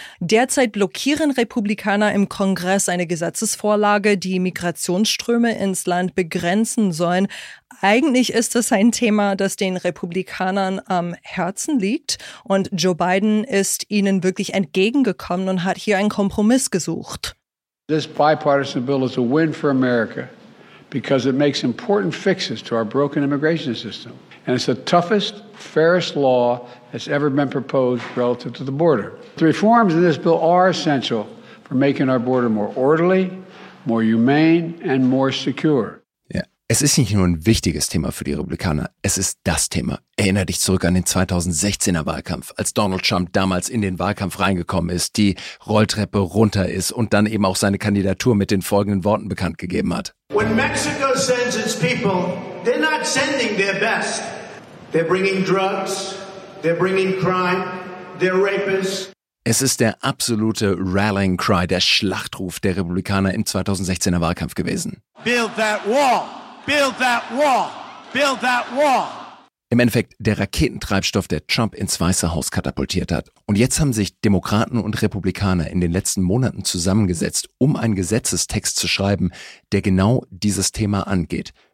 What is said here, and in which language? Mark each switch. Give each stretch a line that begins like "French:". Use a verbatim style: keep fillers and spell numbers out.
German: Derzeit blockieren Republikaner im Kongress eine Gesetzesvorlage, die Migrationsströme ins Land begrenzen sollen. Eigentlich ist es ein Thema, das den Republikanern am Herzen liegt. Und Joe Biden ist ihnen wirklich entgegengekommen und hat hier einen Kompromiss gesucht.
English: This bipartisan bill is a win for America because it makes important fixes to our broken immigration system. And it's the toughest, fairest law that's ever been proposed relative to the border. The reforms in this bill are essential for making our border more orderly, more humane and more secure.
German: Ja, es ist nicht nur ein wichtiges Thema für die Republikaner, es ist das Thema. Erinnere dich zurück an den zweitausendsechzehner Wahlkampf, als Donald Trump damals in den Wahlkampf reingekommen ist, die Rolltreppe runter ist und dann eben auch seine Kandidatur mit den folgenden Worten bekannt gegeben hat.
English: When Mexico sends its people, they're not sending their best. They're bringing drugs, they're bringing crime, they're rapists.
German: Es ist der absolute Rallying Cry, der Schlachtruf der Republikaner im zweitausendsechzehner Wahlkampf gewesen.
English: Build that wall! Build that wall! Build that wall!
German: Im Endeffekt der Raketentreibstoff, der Trump ins Weiße Haus katapultiert hat. Und jetzt haben sich Demokraten und Republikaner in den letzten Monaten zusammengesetzt, um einen Gesetzestext zu schreiben, der genau dieses Thema angeht.